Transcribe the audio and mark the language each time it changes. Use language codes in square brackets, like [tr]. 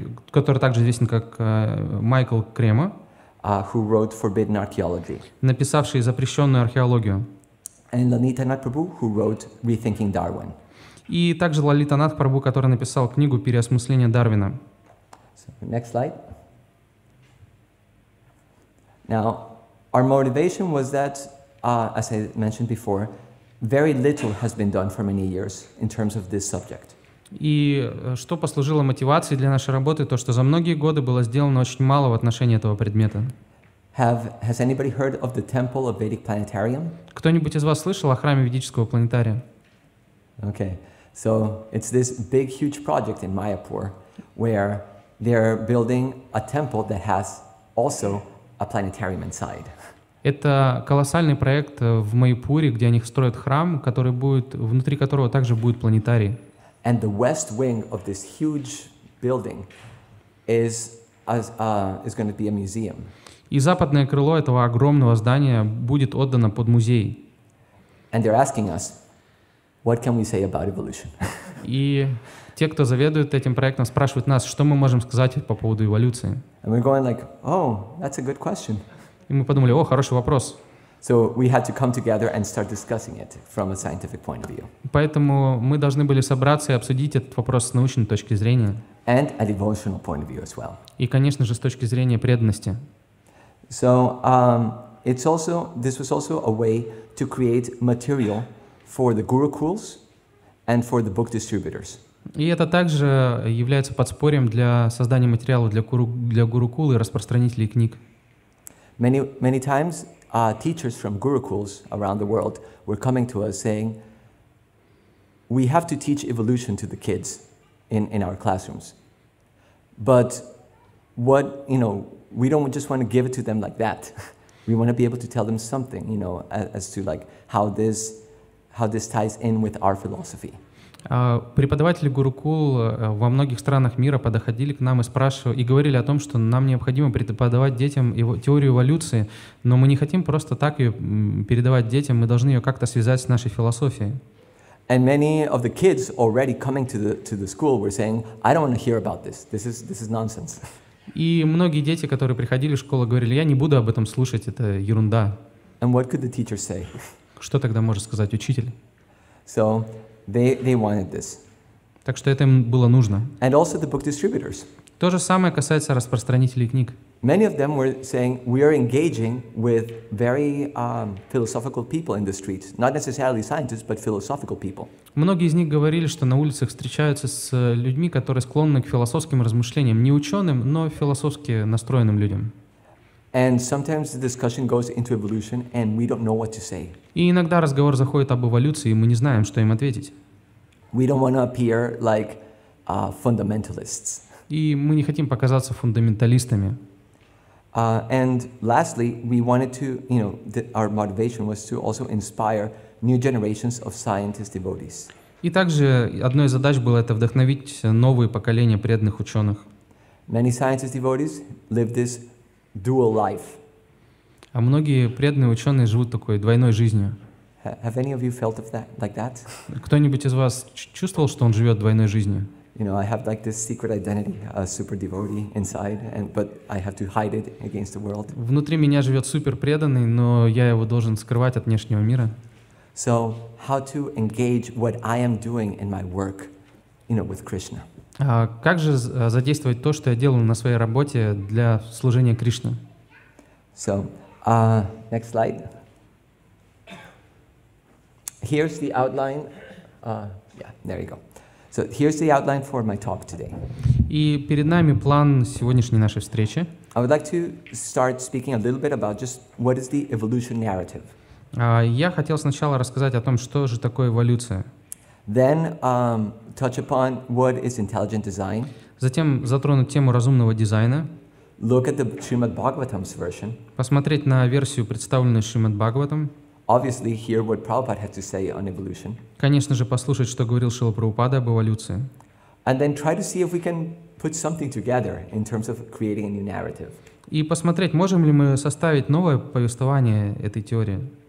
[ru] который также известен как Майкл Кремо, [en] who wrote Forbidden Archaeology, [ru] написавший запрещенную археологию, [en] and Lalitanath Prabhu, who wrote Rethinking Darwin, [ru] и также Лалитанатх Прабу, который написал книгу «Переосмысление Дарвина». [en] So, next slide. Now, our motivation was that, as I mentioned before, very little has been done for many years in terms of this subject. [ru] И что послужило мотивацией для нашей работы, то, что за многие годы было сделано очень мало в отношении этого предмета. [en] Has anybody heard of the Temple of Vedic Planetarium? [ru] Кто-нибудь из вас слышал о храме ведического планетария? [en] Okay, so it's this big, huge project in Mayapur, where they're building a temple that has also a planetarium inside. [ru] Это колоссальный проект в Майпуре, где они строят храм, который будет, внутри которого также будет планетарий. [en] And the west wing of this huge building is going to be a museum. [ru] И западное крыло этого огромного здания будет отдано под музей. [en] And they're asking us, what can we say about evolution? [ru] И те, кто заведует этим проектом, спрашивают нас, что мы можем сказать по поводу эволюции. [en] And we're going like, oh, that's a good question. [ru] И мы подумали, о, хороший вопрос. [en] So we had to come together and start discussing it from a scientific point of view. [ru] Поэтому мы должны были собраться и обсудить этот вопрос с научной точки зрения. [en] And a devotional point of view as well. [ru] И, конечно же, с точки зрения преданности. [en] So it's also this was also a way to create material for the gurukuls and for the book distributors. [ru] И это также является подспорьем для создания материала для гурукул и распространителей книг. [en] Many times teachers from gurukuls around the world were coming to us saying, "We have to teach evolution to the kids in our classrooms, but what you know, we don't just want to give it to them like that. We want to be able to tell them something, you know, as to like how this ties in with our philosophy." [ru] Преподаватели гурукул во многих странах мира подходили к нам и спрашивали, и говорили о том, что нам необходимо преподавать детям теорию эволюции, но мы не хотим просто так ее передавать детям, мы должны ее как-то связать с нашей философией. [en] And many of the kids already coming to the school were saying, I don't want to hear about this. This is nonsense. [ru] И многие дети, которые приходили в школу, говорили, я не буду об этом слушать, это ерунда. [en] And what could the teacher say? [ru] Что тогда может сказать учитель? [en] So They wanted this. [ru] Так что это им было нужно. [en] And also the book distributors. [ru] То же самое касается распространителей книг. [en] Many of them were saying we are engaging with very philosophical people in the streets, not necessarily scientists, but philosophical people. [ru] Многие из них говорили, что на улицах встречаются с людьми, которые склонны к философским размышлениям, не ученым, но философски настроенным людям. [en] And sometimes the discussion goes into evolution, and we don't know what to say. [ru] И иногда разговор заходит об эволюции, и мы не знаем, что им ответить. [en] We don't want to appear like fundamentalists. [ru] И мы не хотим показаться фундаменталистами. [en] And lastly, we wanted to, you know, our motivation was to also inspire new generations of scientist devotees. [ru] И также одной из задач было это вдохновить новые поколения преданных ученых. [en] Many scientist devotees live this dual life. [ru] А многие преданные ученые живут такой двойной жизнью. [en] Have any of you felt of that, like that? [ru] Кто-нибудь из вас чувствовал, что он живет двойной жизнью? [en] You know, I have like this secret identity, a super devotee inside, but I have to hide it against the world. [ru] Внутри меня живет супер преданный, но я его должен скрывать от внешнего мира. [en] So, how to engage what I am doing in my work, you know, with Krishna? [ru] Как же задействовать то, что я делаю на своей работе для служения Кришне? [en] So, next slide. Here's the outline. There you go. So here's the outline for my talk today. [ru] И перед нами план сегодняшней нашей встречи. [en] I would like to start speaking a little bit about just what is the evolution narrative. [ru] Я хотел сначала рассказать о том, что же такое эволюция. [en] Then touch upon what is intelligent design. [ru] Затем затронуть тему разумного дизайна. [en] Look at the Shrimad Bhagavatam's version. [ru] Посмотреть на версию, представленную Шримад Бхагаватом. [en] Obviously, hear what Prabhupada had to say on evolution. [ru] Конечно же, послушать, что говорил Шрила Прабхупада об эволюции. [en] And then try to see if we can put something together in terms of creating a new narrative. [ru] И посмотреть, можем ли мы составить новое повествование этой теории.